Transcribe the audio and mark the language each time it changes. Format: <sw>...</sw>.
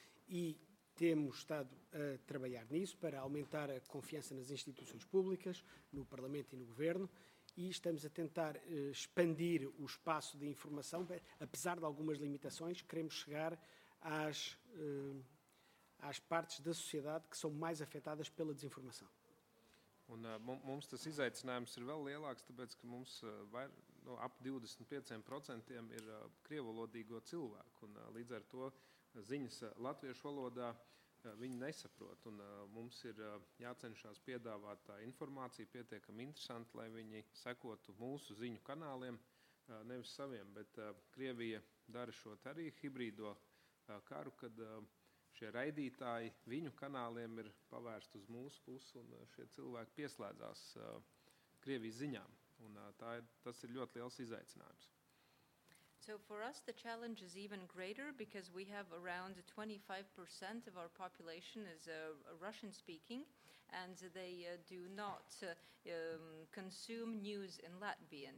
<pt>E temos estado a trabalhar nisso para aumentar a confiança nas instituições públicas, no Parlamento e no Governo, e estamos a tentar expandir o espaço de informação. Apesar de algumas limitações, queremos chegar às partes da sociedade que são mais afetadas pela desinformação.</pt> <lv>Un mums tas izaicinājums ir vēl lielāks, tāpēc, ka mums vai, no, ap 25% ir krievvalodīgo cilvēku, un līdz ar to ziņas latviešu valodā viņi nesaprot, un mums ir jācenšās piedāvāt tā informācija pietiekami interesanti, lai viņi sekotu mūsu ziņu kanāliem, nevis saviem, bet Krievija dara šo arī hibrīdo karu, kad Šie raidītāji viņu kanāliem ir pavērsti uz mūsu pusi, un šie cilvēki pieslēdzās Krievijas ziņām. Un tas ir ļoti liels izaicinājums.</lv> <en>So for us the challenge is even greater because we have around 25% of our population is Russian speaking and they do not consume news in Latvian.</en>